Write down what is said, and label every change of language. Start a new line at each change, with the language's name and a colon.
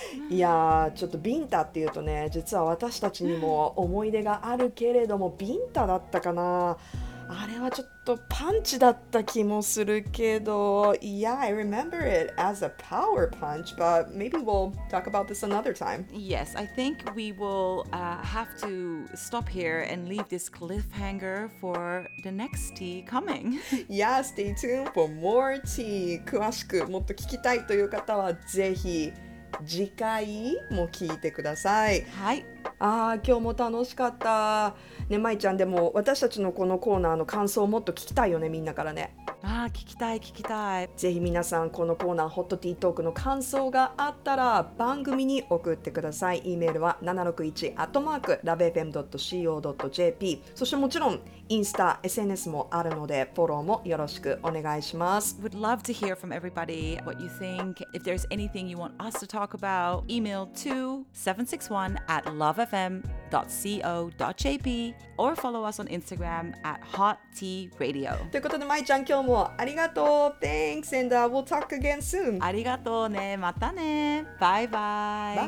Japanese: いやちょっとビンタっていうとね、実は私たちにも思い出があるけれども、ビンタだったかな、あれはちょっとパンチだった気もするけど、
English: Yeah, I remember it as a power punch, but maybe we'll talk about this another time. Yes, I think we will have to stop here and leave this cliffhanger for the next tea coming. Yeah, stay tuned for more tea.
Japanese: 詳しくもっと聞きたいという方はぜひ次回も聞いてください。はい、あ、今日も楽しかったね、まいちゃん。でも私たちのこのコーナーの感想をもっと聞きたいよね、みんなからね。あ、聞きたい聞きたい。ぜひ皆さん、このコーナーホットティートークの感想があったら番組に送ってください。 E メールは 761@lovefm.co.jp、 そしてもちろんインスタ、SNS もあるのでフォローもよろしくお願いします。
English: We'd love to hear from everybody what you think. If there's anything you want us to talk about, email to 761@lovefm.co.jp or follow us on Instagram @hottearadio.
Japanese: ということで、まいちゃん今日もありがとう。
English: Thanks, and we'll talk again soon.
Japanese: ありがとうね。またね。バイバイ。